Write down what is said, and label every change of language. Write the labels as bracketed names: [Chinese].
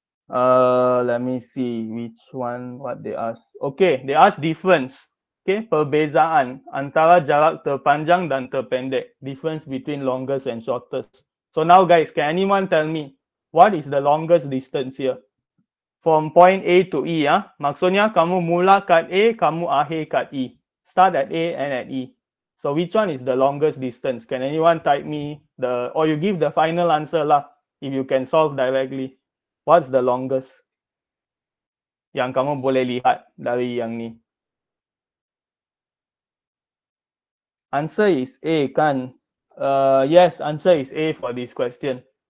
[English] Let me see which one, what they ask. Okay, they ask difference. [Malay] Okay, perbezaan antara jarak terpanjang dan terpendek. [English] Difference between longest and shortest. So now guys, can anyone tell me what is the longest distance here? From point A to E, ya? [Malay] Maksudnya kamu mula kat A, kamu akhir kat E. [English] Start at A and at E. So which one is the longest distance? Can anyone type me the, or you give the final answer lah, if you can solve directly. What's the longest? [Malay] Yang kamu boleh lihat dari yang ni. [English] Answer is A, kan? Yes, answer is A for this question.